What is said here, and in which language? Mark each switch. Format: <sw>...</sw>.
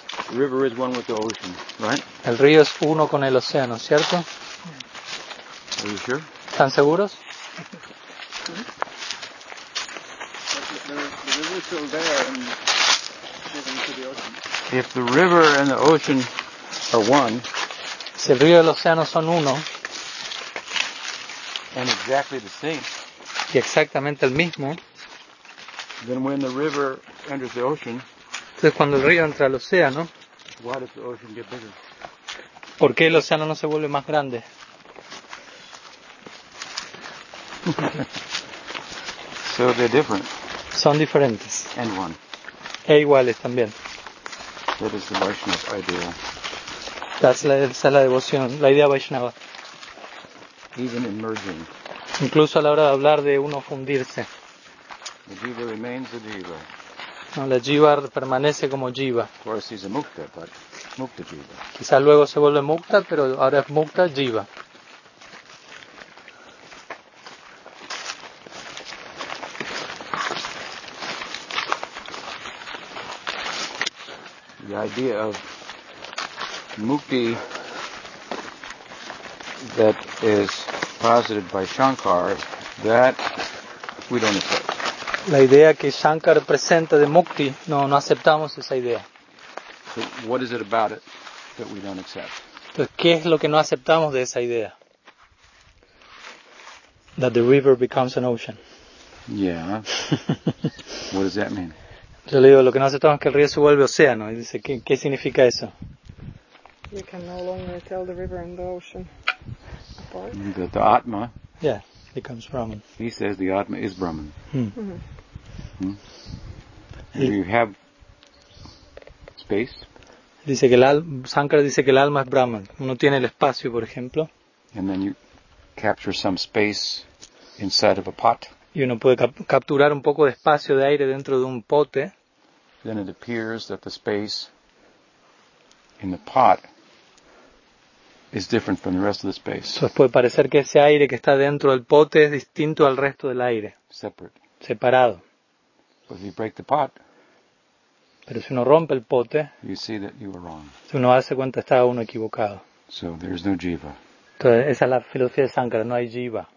<en>The river is one with the ocean, right?</en> <es>El río es uno con el océano, ¿cierto?</es> <en>Are you sure?</en> <es>¿Están seguros?</es> <en>If the river and the ocean are one,</en> <es>si el río y el océano son uno,</es> <en>and exactly the same,</en> <es>y exactamente el mismo,</es> <en>then when the river enters the ocean,</en> <es>entonces cuando el río entra al océano,</es> <en>why does the ocean get bigger?</en> <es>¿Por qué el océano no se vuelve más grande?</es> <en>So they're different.</en> <es>Son diferentes.</es> <en>And one.</en> <es>E iguales también.</es> <en>That is the Vaishnava idea.</en> <es>Esa es la devoción, la idea Vaishnava.</es> <en>Even emerging.</en> <es>Incluso a la hora de hablar de uno fundirse.</es> <en>The jiva remains the jiva.</en> <es>No, la jiva permanece como jiva.</es> <en>Of course he's a mukta, but mukta jiva.</en> <es>Quizás luego se vuelve mukta, pero ahora es mukta jiva.</es> <en>The idea of mukti that is posited by Shankar, that we don't accept.</en> <es>La idea que Shankar presenta de mukti, no aceptamos esa idea.</es> <en>So what is it about it that we don't accept?</en> <es>Entonces, ¿qué es lo que no aceptamos de esa idea?</es> <en>That the river becomes an ocean. Yeah. What does that mean?</en> <es>Yo le digo, lo que no aceptamos es que el río se vuelve océano. Y dice, ¿qué significa eso?</es> <en>You can no longer tell the river and the ocean apart. That the Atma. Yeah, becomes Brahman. He says the Atma is Brahman. Do you have space?</en> <es>Dice que Shankara dice que el alma es Brahman. Uno tiene el espacio, por ejemplo.</es> <en>And then you capture some space inside of a pot.</en> <es>Y uno puede capturar un poco de espacio de aire dentro de un pote.</es> <en>Then it appears that the space in the pot is different from the rest of the space.</en> <es>Entonces puede parecer que ese aire que está dentro del pote es distinto al resto del aire.</es> <en>Separate.</en> <es>Separado.</es> <en>But if you break the pot,</en> <es>pero si uno rompe el pote,</es> <en>you see that you were wrong.</en> <es>Si uno hace cuenta, está uno equivocado.</es> <en>So there's no jiva.</en> <es>Entonces, esa es la filosofía de Shankara, no hay jiva.</es>